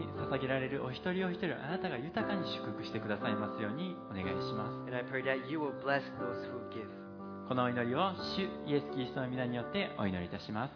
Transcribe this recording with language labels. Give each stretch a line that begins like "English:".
Japanese: 捧げられるお一人お一人をあなたが豊かに祝福してくださいますようにお願いします。
English: And I pray that you will bless those who give.
Japanese: このお祈りを主イエスキリストの御名によってお祈りいたします。